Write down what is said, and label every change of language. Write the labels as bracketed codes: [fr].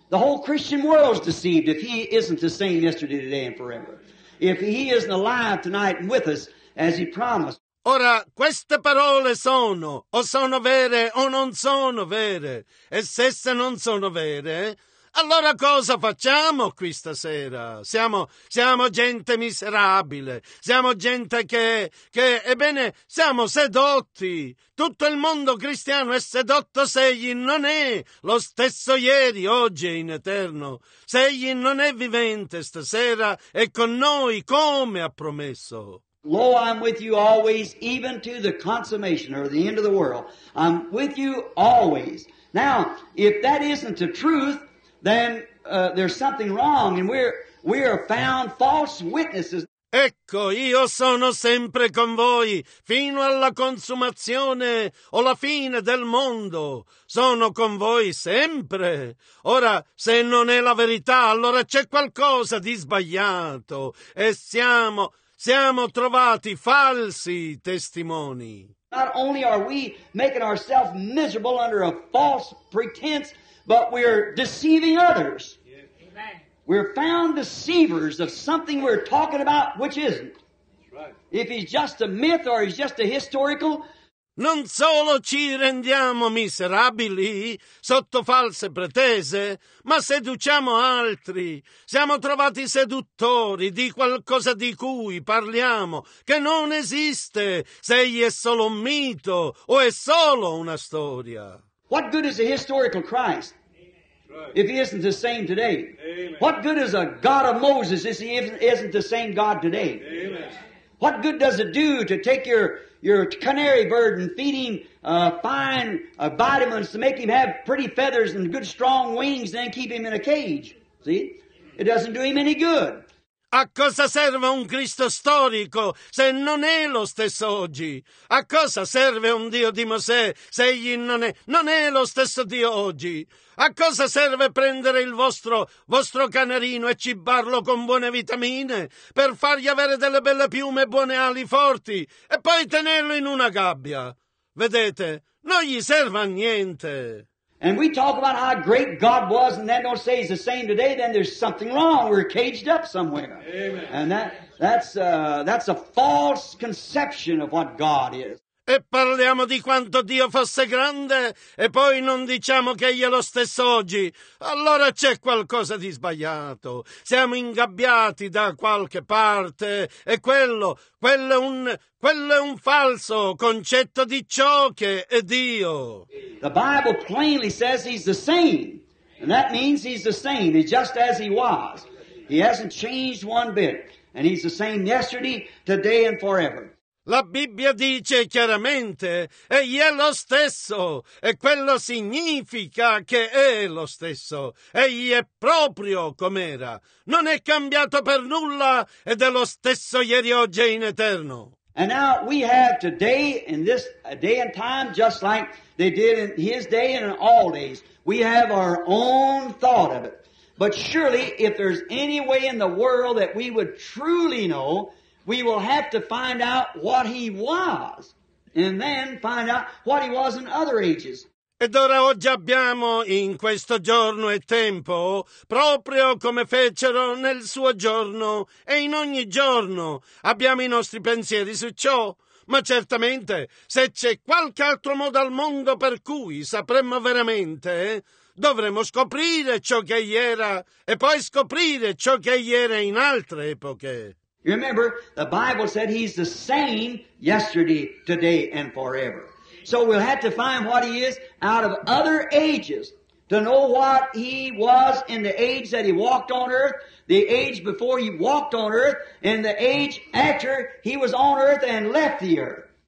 [en] The whole Christian world's deceived if he isn't the same yesterday, today, and forever. If he isn't alive tonight with us as he promised. [it] Ora, queste parole sono vere o non sono vere. E se non sono vere, allora cosa facciamo qui stasera? Siamo gente miserabile. Siamo gente che, ebbene, siamo sedotti. Tutto il mondo cristiano è sedotto se egli non è lo stesso ieri, oggi e in eterno. Se egli non è vivente stasera e con noi, come ha promesso. [en] Lo, I'm with you always, even to the consummation or the end of the world. I'm with you always. Now, if that isn't the truth, then there's something wrong, and we are found false witnesses. [it] Ecco, io sono sempre con voi fino alla consumazione o la fine del mondo. Sono con voi sempre. Ora, se non è la verità, allora c'è qualcosa di sbagliato e siamo trovati falsi testimoni. [en] Not only are we making ourselves miserable under a false pretense, but we're deceiving others. Amen. We're found deceivers of something we're talking about, which isn't. Right. If he's just a myth or he's just a historical. [it] Non solo ci rendiamo miserabili sotto false pretese, ma seduciamo altri. Siamo trovati seduttori di qualcosa di cui parliamo, che non esiste, se egli è solo un mito o è solo una storia. [en] What good is a historical Christ if he isn't the same today? Amen. Amen. What good is a God of Moses if he isn't the same God today? Amen. What good does it do to take your canary bird and feed him fine vitamins to make him have pretty feathers and good strong wings, then keep him in a cage? See? It doesn't do him any good. [it] A cosa serve un Cristo storico se non è lo stesso oggi? A cosa serve un Dio di Mosè se egli non è lo stesso Dio oggi? A cosa serve prendere il vostro canarino e cibarlo con buone vitamine per fargli avere delle belle piume e buone ali forti e poi tenerlo in una gabbia? Vedete, non gli serve a niente. [en] And we talk about how great God was, and then don't say he's the same today, then there's something wrong. We're caged up somewhere. Amen. And that's a false conception of what God is. [it] E parliamo di quanto Dio fosse grande, e poi non diciamo che egli è lo stesso oggi. Allora c'è qualcosa di sbagliato. Siamo ingabbiati da qualche parte, e quello è un falso concetto di ciò che è Dio. [en] The Bible plainly says he's the same, and that means he's the same, he's just as he was. He hasn't changed one bit, and he's the same yesterday, today, and forever. [it] La Bibbia dice chiaramente, egli è lo stesso, e quello significa che è lo stesso, egli è proprio com'era, non è cambiato per nulla, ed è lo stesso ieri, oggi e in eterno. [en] And now we have today, in this day and time, just like they did in his day and in all days, we have our own thought of it. But surely, if there's any way in the world that we would truly know, we will have to find out what he was, and then find out what he was in other ages. [it] Ed ora oggi abbiamo in questo giorno e tempo, proprio come fecero nel suo giorno e in ogni giorno, abbiamo i nostri pensieri su ciò. Ma certamente, se c'è qualche altro modo al mondo per cui sapremmo veramente, dovremmo scoprire ciò che egli era e poi scoprire ciò che egli era in altre epoche. [en] You remember, the Bible said he's the same yesterday, today, and forever. So we'll have to find what he is out of other ages to know what he was in the age that he walked on earth, the age before he walked on earth, and the age after he was on earth and left the earth.